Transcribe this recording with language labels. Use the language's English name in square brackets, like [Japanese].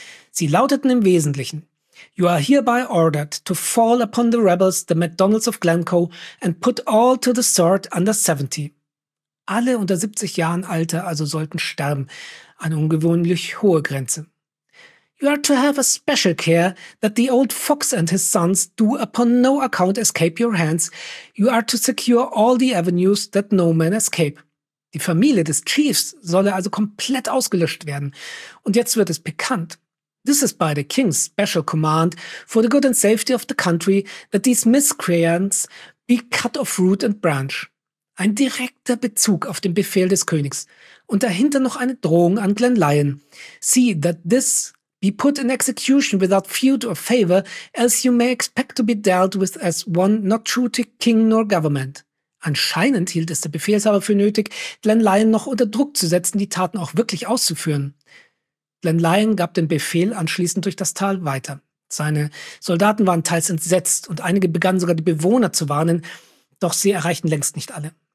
[German] Sie lauteten im Wesentlichen: [English] You are hereby ordered to fall upon the rebels, the McDonalds of Glencoe, and put all to the sword under 70. [German] Alle unter 70 Jahren Alter also sollten sterben, eine ungewöhnlich hohe Grenze. [English] You are to have a special care that the old fox and his sons do upon no account escape your hands. You are to secure all the avenues that no man escape. [German] Die Familie des Chiefs solle also komplett ausgelöscht werden. Und jetzt wird es pikant. [English] This is by the king's special command for the good and safety of the country that these miscreants be cut off root and branch. [German] Ein direkter Bezug auf den Befehl des Königs. Und dahinter noch eine Drohung an Glenlyon. [English] See that this be put in execution without feud or favor, else you may expect to be dealt with as one not true to king nor government. [German] Anscheinend hielt es der Befehlshaber für nötig, Glenlyon noch unter Druck zu setzen, die Taten auch wirklich auszuführen. Glenlyon gab den Befehl anschließend durch das Tal weiter. Seine Soldaten waren teils entsetzt und einige begannen sogar die Bewohner zu warnen, doch sie erreichten längst nicht alle.